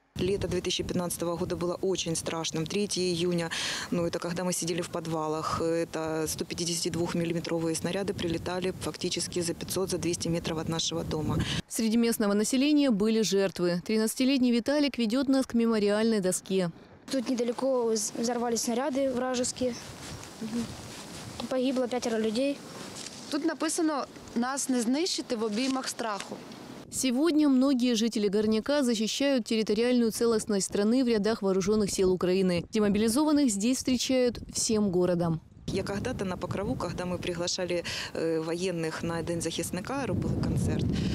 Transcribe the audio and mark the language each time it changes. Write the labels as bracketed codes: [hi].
[ru] Лето 2015 года было очень страшным. 3 июня, это когда мы сидели в подвалах, это 152-миллиметровые снаряды прилетали фактически за 500, за 200 метров от нашего дома. Среди местного населения были жертвы. 13-летний Виталик ведет нас к мемориальной доске. Тут недалеко взорвались снаряды вражеские. Погибло 5 людей. Тут написано: [uk] «Нас не знищити в обіймах страху». [ru] Сегодня многие жители Горняка защищают территориальную целостность страны в рядах вооруженных сил Украины. Демобилизованных здесь встречают всем городом. Я когда-то на Покрову, когда мы приглашали военных на День захисника, был концерт,